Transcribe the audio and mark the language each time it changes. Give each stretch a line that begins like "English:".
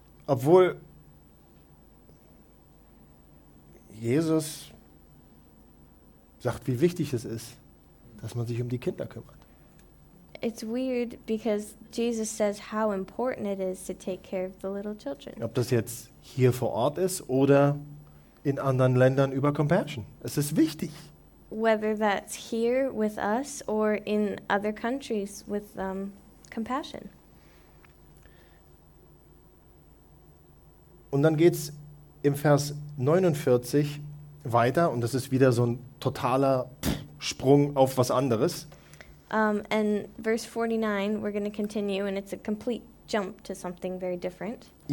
German: Obwohl Jesus sagt, wie wichtig es ist, dass man sich um die Kinder kümmert.
English: It's weird because Jesus says how important it is to take care of the little children.
German: Ob das jetzt hier vor Ort ist oder in anderen Ländern über Compassion. Es ist wichtig.
English: Whether that's here with us or in other countries with Compassion.
German: Und dann geht's im Vers 49 weiter, und das ist wieder so ein totaler Sprung auf was anderes.
English: And verse 49, we're going to continue, and it's a complete jump to something very different.